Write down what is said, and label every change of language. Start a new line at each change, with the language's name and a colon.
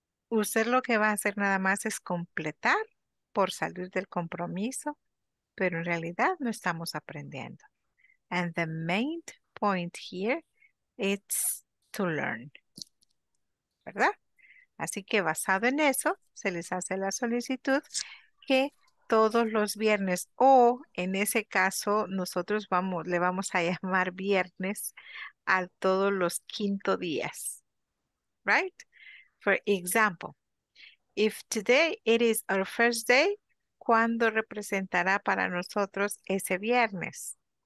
Spanish: Usted lo que va a hacer nada más es completar por salir del compromiso, pero en realidad no estamos aprendiendo.
English: And the main point here is to learn.
Spanish: ¿Verdad? Así que basado en eso, se les hace la solicitud que todos los viernes, o en ese caso, nosotros le vamos a llamar viernes a todos los quinto días.
English: Right? For example, if today it is our first day,
Spanish: ¿cuándo representará para nosotros ese viernes?